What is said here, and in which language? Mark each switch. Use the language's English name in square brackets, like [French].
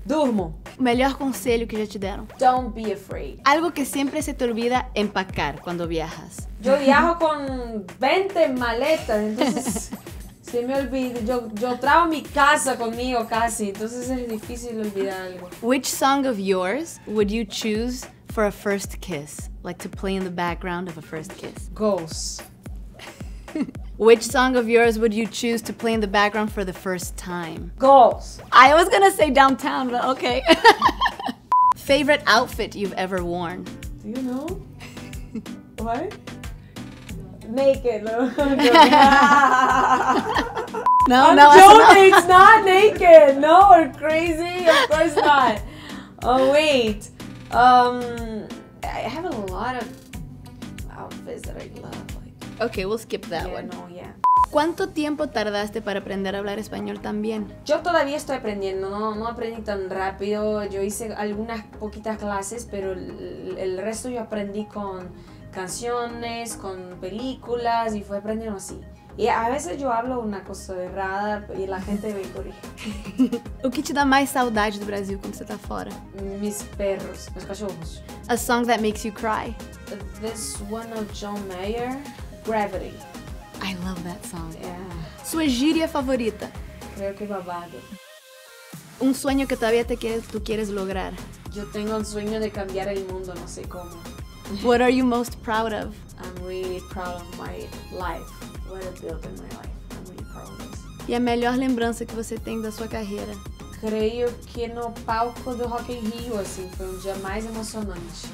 [Portuguese] Durmo. Melhor conselho que já te deram. [English] Don't be afraid. [Spanish] Algo que sempre se te olvida empacar quando viajas. [Portuguese] Eu viajo com 20 maletas, então se me olvido. Eu trago minha casa comigo quase, então é difícil olvidar algo. [English] Which song of yours would you choose for a first kiss? Like to play in the background of a first kiss? Ghost. Which song of yours would you choose to play in the background for the first time? Goals. I was gonna say Downtown, but okay. Favorite outfit you've ever worn? Do you know? What? Naked. I'm no, I'm no, joking. No, it's not naked. No, we're crazy. Of course not. Oh, wait. I have a lot of outfits that I love. Okay, we'll skip that yeah, one. No, yeah. [Spanish] ¿Cuánto tiempo tardaste para aprender a hablar español también? Yo todavía estoy aprendiendo, no aprendí tan rápido. Yo hice algunas poquitas clases, pero el resto yo aprendí con canciones, con películas, y fue aprendiendo así. Y a veces yo hablo una cosa errada y la gente me corrige. ¿O qué te da más saudade do Brasil cuando [Portuguese] você está [Spanish] fuera? Mis perros, mis cachorros. [English] A song that makes you cry. This one of John Mayer. Gravity. I love that song. Yeah. [Portuguese] Sua gíria favorita? [Spanish] Creo que babado. [Portuguese] Um sonho que [Spanish] todavía te quieres, [Portuguese] tu queres lograr? Eu tenho um sonho de cambiar o mundo, não sei como. [English] What are you most proud of? I'm really proud of my life. What I built in my life. I'm really proud of this. [Portuguese] E a melhor lembrança que você tem da sua carreira? Creio que no palco do Rock in Rio, assim, foi um dia mais emocionante.